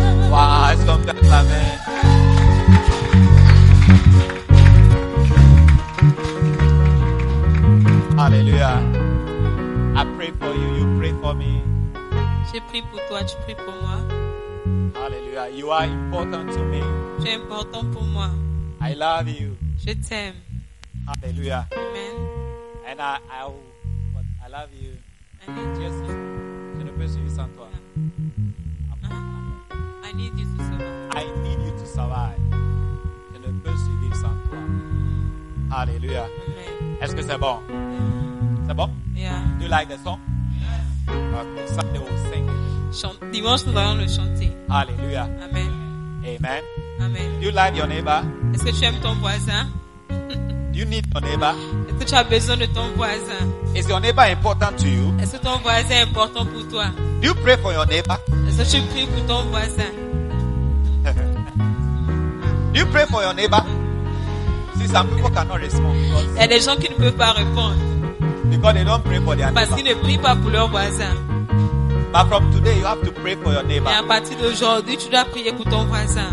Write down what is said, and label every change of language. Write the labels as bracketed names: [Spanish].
[French] Waouh, est-ce qu'on peut acclamer? Alléluia. [English] I pray for you, you pray for me. [French] Je prie pour toi, tu pries pour moi. [English] Alléluia, you are important to me. [French] Tu es important pour moi. [English] I love you. [French] Je t'aime. Alléluia. Amen. [English] And I love you. I need you. [French] Jesus, je ne peux survivre sans toi. [English] I need you to survive. I need you to survive. [French] Je ne peux survivre sans toi. Alléluia. Amen. Est-ce que c'est bon? C'est bon? [English] Yeah. Do you like the song? Yes. [French] Dimanche, nous allons le chanter. Alléluia. Amen. Amen. Amen. [English] Do you love your neighbor? [French] Est-ce que tu aimes ton voisin? [English] Do you need your neighbor? [French] Est-ce que tu as besoin de ton voisin? [English] Is your neighbor important to you? [French] Est-ce que ton voisin est important pour toi? [English] Do you pray for your neighbor? [French] Est-ce que tu pries pour ton voisin? [English] Do you pray for your neighbor? See, some people cannot respond. [French] Il y a des gens qui ne peuvent pas répondre. [English] Because they don't pray for their neighbor. [French] Parce qu'ils ne prient pas pour leur voisin. [English] But from today, you have to pray for your neighbor. [French] Et à partir d'aujourd'hui, tu dois prier pour ton voisin.